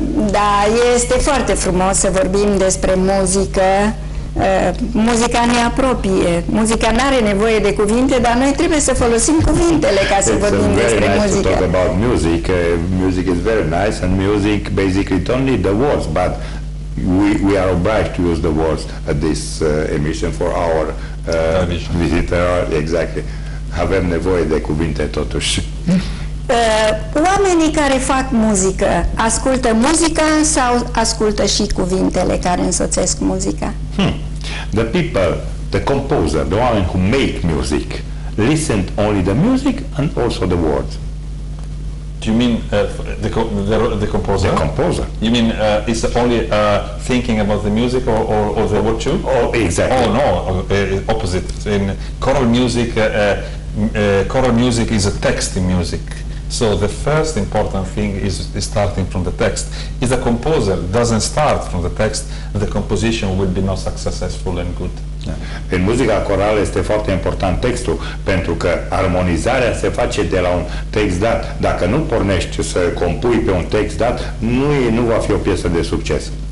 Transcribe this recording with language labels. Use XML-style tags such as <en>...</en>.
<ro>Da, este foarte frumos să vorbim despre muzică. Muzica ne apropie. Muzica nu are nevoie de cuvinte, dar noi trebuie să folosim cuvintele ca să vorbim despre muzică.</ro> <en>To talk about music. Music is very nice and music basically don't need the words, but we are obliged to use the words at this emission for our visitor. Exactly.</en> <ro>Avem nevoie de cuvinte totuși. Oamenii care fac muzică ascultă muzica sau ascultă și cuvintele care însoțesc muzica?</ro> <en>The people, the composer, the one who make music, listen only the music and also the words. Do you mean the composer? The composer. You mean is only thinking about the music or the word too? Oh, exactly. Oh no, opposite. In choral music, choral music is a text in music. So the first important thing is starting from the text. If the composer doesn't start from the text, the composition will be not successful and good.</en> <ro>În muzica corală este foarte important textul, pentru că armonizarea se face de la un text dat. Dacă nu pornești să compui pe un text dat, nu va fi o piesă de succes.</ro>